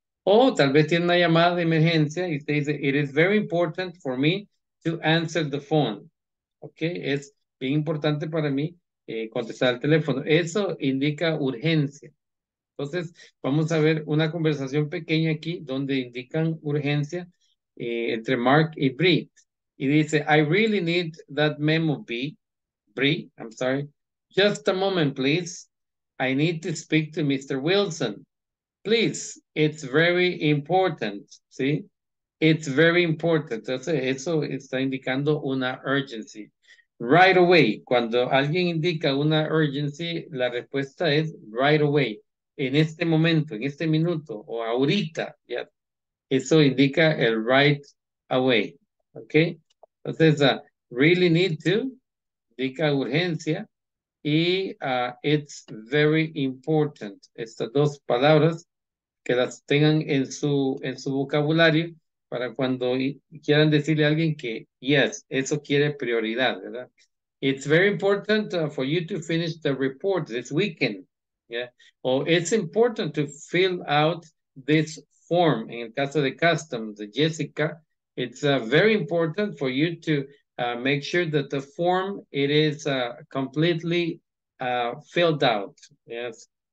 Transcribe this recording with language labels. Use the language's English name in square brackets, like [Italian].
[Spanish] O tal vez tiene una llamada de emergencia y usted dice, [English] it is very important for me to answer the phone. [Spanish] Okay, es bien importante para mí contestar el teléfono. Eso indica urgencia. Entonces, vamos a ver una conversación pequeña aquí donde indican urgencia entre Mark y Bree. [English] Y dice, I really need that memo, Bree, I'm sorry. Just a moment, please. I need to speak to Mr. Wilson. Please, it's very important, ¿sí? It's very important. [Spanish] Entonces, eso está indicando una urgency. [English] Right away, [Spanish] cuando alguien indica una urgency, la respuesta es right away, en este momento, en este minuto, o ahorita, ya. Eso indica el right away, ¿ok? Entonces, [English] really need to, [Spanish] indica urgencia, y [English] it's very important. [Spanish] Estas dos palabras, que las tengan en su vocabulario para cuando quieran decirle a alguien que, yes, eso quiere prioridad, ¿verdad? [English] It's very important for you to finish the report this weekend, yeah? Or it's important to fill out this form. [Spanish] En el caso de Customs, [English] Jessica, it's very important for you to make sure that the form, it is completely filled out, yes?